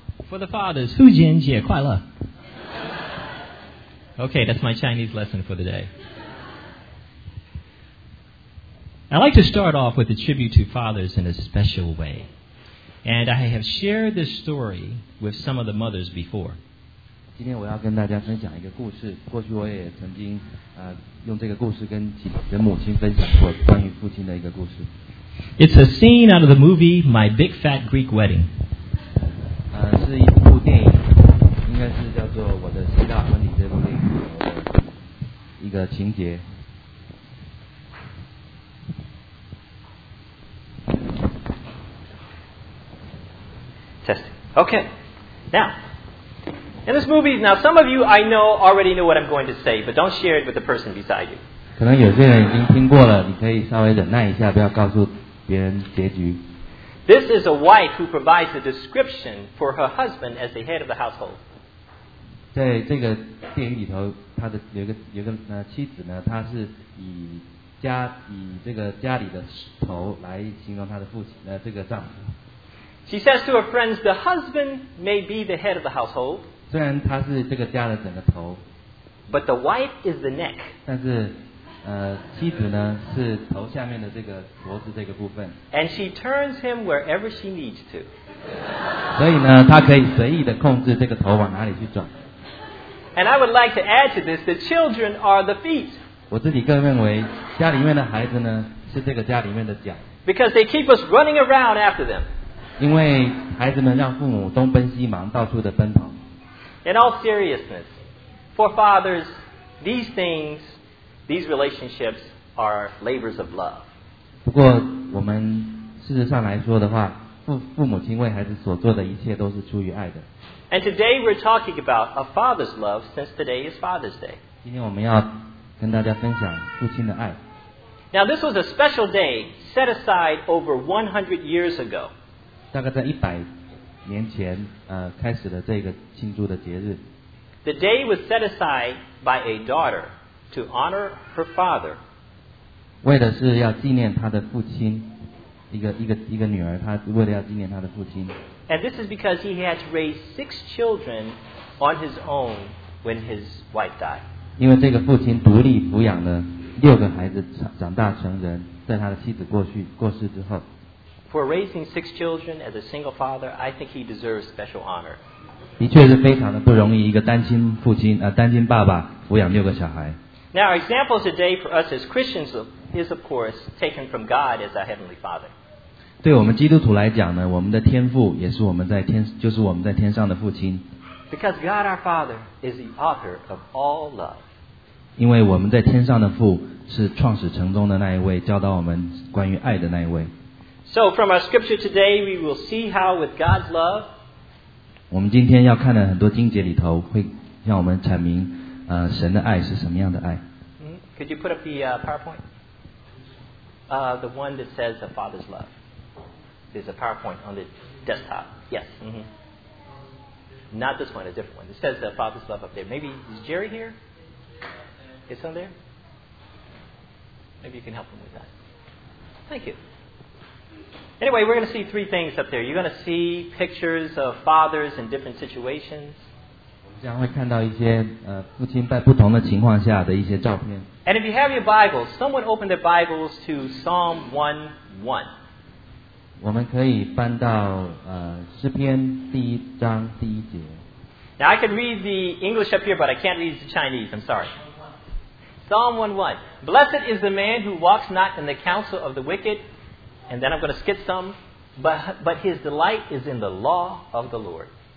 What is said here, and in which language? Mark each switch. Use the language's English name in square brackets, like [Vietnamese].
[English] For the fathers, [Chinese] 父亲节快乐。 [English] Okay, that's my Chinese lesson for the day. I'd like to start off with a tribute to fathers in a special way. And I have shared this story with some of the mothers before. [Chinese] 今天我要跟大家分享一个故事，过去我也曾经用这个故事跟几个母亲分享过关于父亲的一个故事。 [English] It's a scene out of the movie My Big Fat Greek Wedding. [Chinese] 是一部电影，应该是叫做《我的希腊婚礼》这部电影的一个情节。 [English] Testing. Okay. Now, in this movie, now some of you I know already know what I'm going to say, but don't share it with the person beside you. [Chinese] 可能有些人已经听过了，你可以稍微忍耐一下，不要告诉。 [English] This is a wife who provides a description for her husband as the head of the household. [Chinese] 在这个电影里头，她的有个妻子呢，她是以这个家里的头来形容她的父亲这个丈夫。 [English] She says to her friends, "The husband may be the head of the household." [Chinese] 虽然他是这个家的整个头 [English] ，but the wife is the neck. [Chinese] 但是妻子呢是头下面的这个脖子这个部分。 [English] And she turns him wherever she needs to. [Chinese] 所以呢，她可以随意的控制这个头往哪里去转。 [English] And I would like to add to this, the children are the feet. [Chinese] 我自己个人认为，家里面的孩子呢是这个家里面的脚。 [English] Because they keep us running around after them. [Chinese] 因为孩子们让父母东奔西忙，到处的奔跑。 [English] In all seriousness, for fathers, these things. These relationships are labors of love. [Chinese] 不过我们事实上来说的话，父母亲为孩子所做的一切都是出于爱的。 [English] And today we're talking about a father's love, since today is Father's Day. [Chinese] 今天我们要跟大家分享父亲的爱。 [English] Now this was a special day set aside over 100 years ago. [Chinese] 大概在一百年前，开始了这个庆祝的节日。 [English] The day was set aside by a daughter. To honor her father. [Chinese] 为的是要纪念她的父亲，一个女儿，她为了要纪念她的父亲。 [English] And this is because he had to raise 6 children on his own when his wife died. [Chinese] 因为这个父亲独立抚养了六个孩子长大成人，在他的妻子过世之后。 [English] For raising 6 children as a single father, I think he deserves special honor. [Chinese] 的确是非常的不容易，一个单亲父亲单亲爸爸抚养六个小孩。 [English] Now, our example today for us as Christians is, of course, taken from God as our Heavenly Father. [Chinese] 对我们基督徒来讲呢，我们的天父也是就是我们在天上的父亲。 [English] Because God our Father is the author of all love. [Chinese] 因为我们在天上的父是创始成终的那一位，教导我们关于爱的那一位。 [English] So, from our scripture today, we will see how with God's love, [Chinese] 我们今天要看的很多经节里头会让我们阐明神的爱是什么样的爱。 [English] Could you put up the PowerPoint? The one that says the Father's love. There's a PowerPoint on the desktop. Yes.、Mm-hmm. Not this one, a different one. It says the Father's love up there. Maybe, is Jerry here? Is on there? Maybe you can help him with that. Thank you. Anyway, we're going to see 3 things up there. You're going to see pictures of fathers in different situations. [Chinese] 将会看到一些父亲在不同的情况下的一些照片。 [English] And if you have your Bibles, someone open their Bibles to Psalm 1:1. [Chinese] 我们可以翻到诗篇第一章第一节。 [English] Now I can read the English up here, but I can't read the Chinese. I'm sorry. Psalm 1:1. Blessed is the man who walks not in the counsel of the wicked. And then I'm going to skip some. But his delight is in the law of the Lord.